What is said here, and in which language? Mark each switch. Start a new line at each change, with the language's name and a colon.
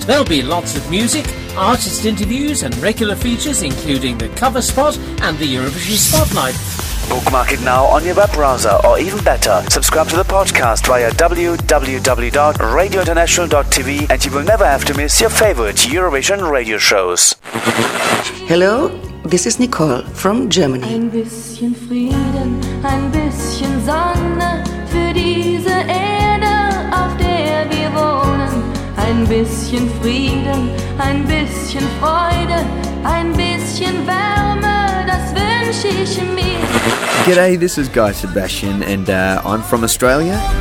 English: There'll be lots of music, artist interviews and regular features including the cover spot and the Eurovision Spotlight. Bookmark it now on your web browser, or even better, subscribe to the podcast via www.radiointernational.tv and you will never have to miss your favorite Eurovision radio shows. Hello? This is Nicole from Germany.
German: Ein bisschen Frieden, ein bisschen Sonne für diese Erde, auf der wir wohnen. Ein bisschen Frieden, ein bisschen Freude, ein bisschen Wärme, das wünsche ich mir.
English: G'day, this is Guy Sebastian, and I'm from Australia.